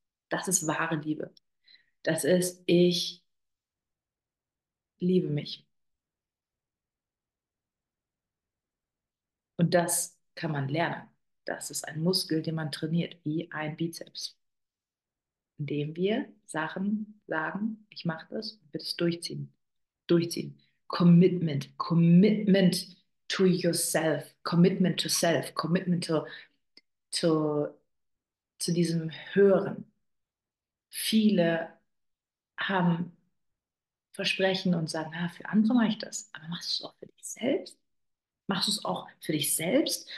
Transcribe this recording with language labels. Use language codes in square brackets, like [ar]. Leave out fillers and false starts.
[de] Das ist wahre Liebe. Das ist, ich liebe mich. Und das kann man lernen. Das ist ein Muskel, den man trainiert, wie ein Bizeps. Indem wir Sachen sagen, ich mache das, wird es durchziehen. Durchziehen. Commitment. [en] Commitment to yourself. Commitment to self. [de] Commitment zu diesem Hören. Viele haben Versprechen und sagen, na, für andere mache ich das. Aber machst du es auch für dich selbst? Machst du es auch für dich selbst?